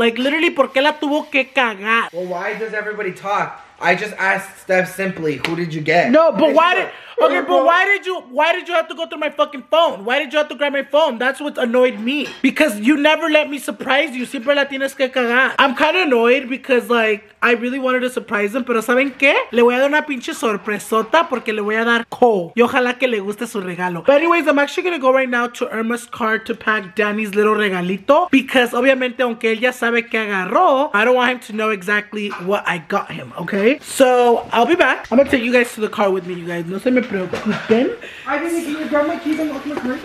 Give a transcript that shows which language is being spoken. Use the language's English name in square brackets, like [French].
[English] Like, literally, [Spanish] ¿por qué la tuvo que cagar? [English] Well, why does everybody talk? I just asked Steph simply, who did you get? No, but why did... Okay, but why did you have to go through my fucking phone? Why did you have to grab my phone? That's what annoyed me. Because you never let me surprise you. [Spanish] Siempre la tienes que cagar. [English] I'm kind of annoyed because, like, I really wanted to surprise him. [Spanish] Pero ¿saben qué? Le voy a dar una pinche sorpresota porque le voy a dar coal. Y ojalá que le guste su regalo. [English] But anyways, I'm actually going to go right now to Irma's car to pack Danny's little [Spanish] regalito. [English] Because, [Spanish] obviamente, aunque él ya sabe que agarró, [English] I don't want him to know exactly what I got him, okay? So, I'll be back. I'm going to take you guys to the car with me, you guys. [Spanish] No se me preocupen. [English] I didn't grab my keys and lock my